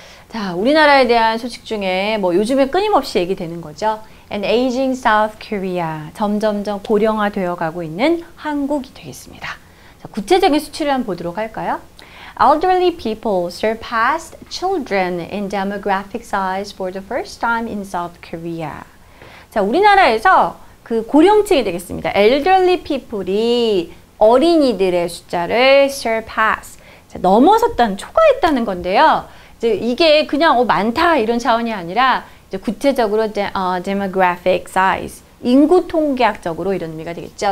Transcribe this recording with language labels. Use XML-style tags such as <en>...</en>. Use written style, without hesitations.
<ko>자, 우리나라에 대한 소식 중에 뭐 요즘에 끊임없이 얘기되는 거죠.</ko> <en>An aging South Korea.</en> <ko>점점점 고령화되어 가고 있는 한국이 되겠습니다. 자, 구체적인 수치를 한번 보도록 할까요?</ko> <en>Elderly people surpassed children in demographic size for the first time in South Korea.</en> <ko>자, 우리나라에서 그 고령층이 되겠습니다.</ko> <en>Elderly people</en> <ko>이 어린이들의 숫자를 surpass, 넘어섰다는, 초과했다는 건데요. 이제 이게 그냥 많다 이런 차원이 아니라 이제 구체적으로 demographic size, 인구통계학적으로 이런 의미가 되겠죠.</ko>